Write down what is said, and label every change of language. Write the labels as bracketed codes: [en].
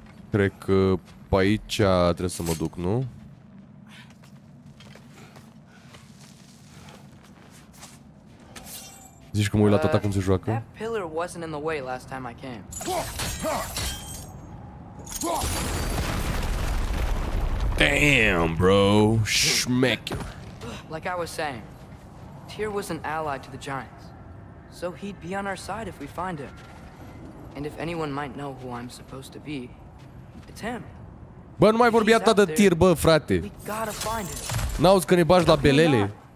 [ro] Cred că pe aici trebuie să mă duc, nu? Zici că mă uit la tata cum se joacă? [en] That pillar wasn't in the way last time I came. Damn, bro. Schmeck. Like I was saying, Tyr was an ally to the Giants. So he'd be on our side if we find him. And if anyone might know who I'm supposed to be, [ro] bă, nu mai vorbi atât de Tyr, bă, frate. N-auzi că ne bagi la belele.